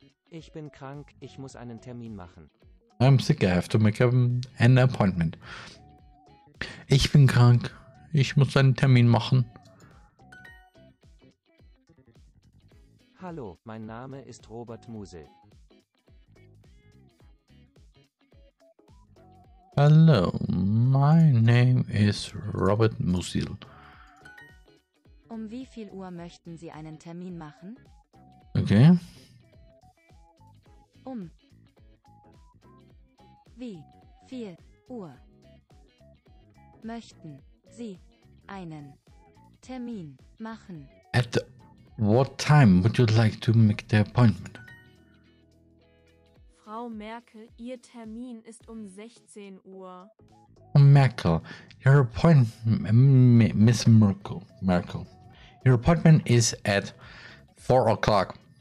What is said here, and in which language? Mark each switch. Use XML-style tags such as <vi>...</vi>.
<de>Ich bin krank, ich muss einen Termin machen.</de> <en>I'm sick, I have to make an appointment.</en> <de>Ich bin krank, ich muss einen Termin machen. Hallo, mein Name ist Robert Musel.</de> <en>Hallo, my name is Robert Musel.</en> <de>Um wie viel Uhr möchten Sie einen Termin machen?</de> <en>Okay.</en> <de>Um wie viel Uhr möchten Sie einen Termin machen?</de> <en>At what time would you like to make the appointment?</en> <de>Frau Merkel, Ihr Termin ist um 16 Uhr.</de> <en>Merkel, your appointment, Miss Merkel, your appointment is at 4:00.</en>